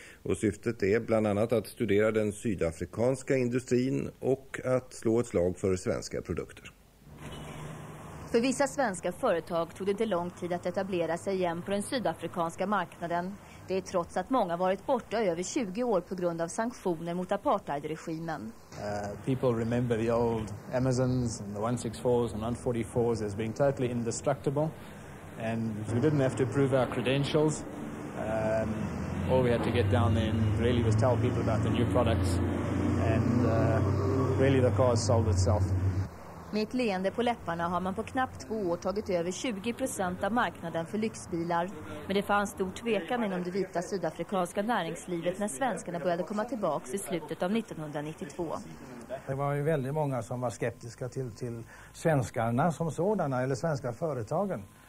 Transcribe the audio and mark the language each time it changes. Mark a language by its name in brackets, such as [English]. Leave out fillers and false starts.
[Swedish] Och syftet är bland annat att studera den sydafrikanska industrin och att slå ett slag för svenska produkter. För vissa svenska företag tog det inte lång tid att etablera sig igen på den sydafrikanska marknaden. Det är trots att många varit borta över 20 år på grund av sanktioner mot apartheidregimen. [English] People remember the old Amazons and the 164s and 144s as being totally indestructible. And we didn't have to prove our credentials. All we had to get down there and really was tell people about the new products. And really the car sold itself. [Swedish] Med ett leende på läpparna har man på knappt 2 år tagit över 20% av marknaden för lyxbilar. Men det fanns stor tvekan inom det vita sydafrikanska näringslivet när svenskarna började komma tillbaka i slutet av 1992. Det var ju väldigt många som var skeptiska till svenskarna som sådana eller svenska företagen.